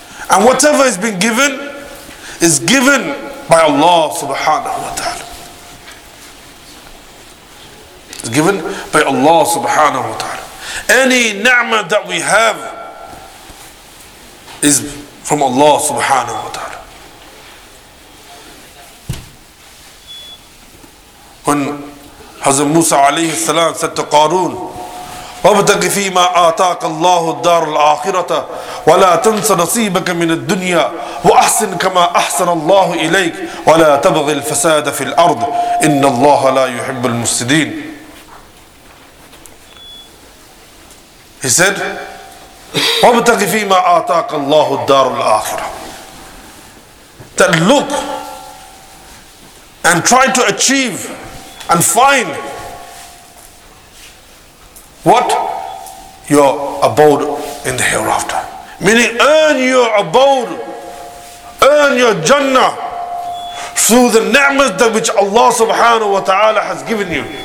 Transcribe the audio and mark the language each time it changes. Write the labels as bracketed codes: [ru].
[en] And whatever has been given is given by Allah subhanahu wa ta'ala. It's given by Allah subhanahu wa ta'ala. Any ni'mah that we have is from Allah subhanahu wa ta'ala. When Hazrat Musa alayhi salam said to Qarun, [ar] وَابْتَقِ فِي مَا آتَاكَ اللَّهُ الدَّارُ الْآخِرَةَ وَلَا تَنْسَ نَصِيبَكَ مِنَ الدُّنْيَا وَأَحْسِنْ كَمَا أَحْسَنَ اللَّهُ إِلَيْكَ وَلَا تَبْغِ الْفَسَادَ فِي الْأَرْضِ إِنَّ اللَّهَ لَا يُحِبُّ الْمُفْسِدِينَ. [en] He said, [ar] وَابْتَقِ فِي مَا آتَاكَ اللَّهُ الدَّارُ الْآخِرَةَ. [en] Then look and try to achieve and find what your abode in the hereafter. Meaning earn your abode, earn your Jannah through the ni'mas that which Allah subhanahu wa ta'ala has given you.